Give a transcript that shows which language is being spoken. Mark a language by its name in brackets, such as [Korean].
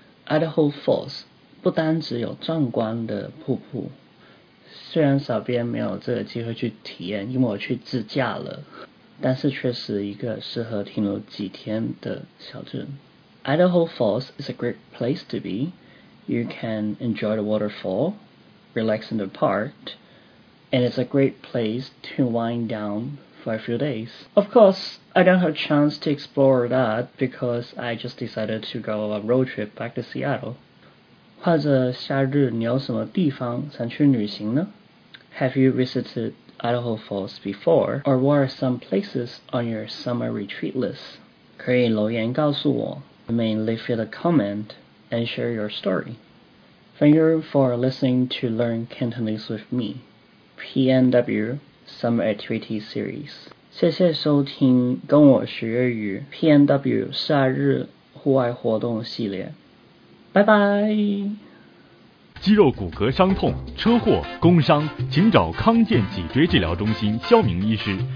[Chinese] Idaho Falls 不单只有壮观的瀑布，虽然小编没有这个机会去体验，因为我去自驾了，但是却是一个适合停留几天的小镇。 [English] Idaho Falls is a great place to be. You can enjoy the waterfall, relax in the park. And it's a great place to wind down for a few days. Of course, I don't have a chance to explore that because I just decided to go on a road trip back to Seattle. [Chinese] 或者夏日你有什么地方想去旅行呢？ [English] Have you visited Idaho Falls before? Or what are some places on your summer retreat list? [Chinese] 可以留言告诉我。 [English] You may leave it a comment and share your story. Thank you for listening to Learn Cantonese with me. PNW Summer Activity Series， [Chinese] 谢谢收听跟我学日语 PNW 夏日户外活动系列，拜拜。肌肉骨骼伤痛、车祸、工伤，请找康健脊椎治疗中心肖明医师。